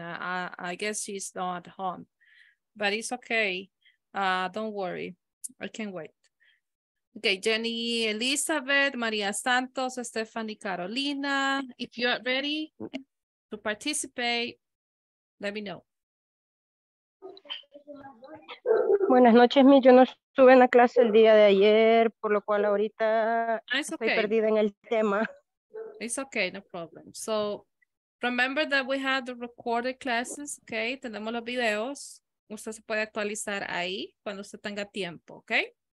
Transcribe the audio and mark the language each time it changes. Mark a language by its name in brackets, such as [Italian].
[English] I guess she's not at home, but it's okay. Don't worry. I can wait. Okay, Jenny Elizabeth, Maria Santos, Stephanie Carolina. If you are ready to participate, let me know. [Spanish] Buenas noches, yo no estuve en la clase el día de ayer, por lo cual ahorita [English] okay. [Spanish] Estoy perdida en el tema. [English] It's okay, no problem. So, Remember that we have the recorded classes, okay? [Spanish] Tenemos los videos. Usted se puede actualizar ahí cuando usted tenga tiempo, okay?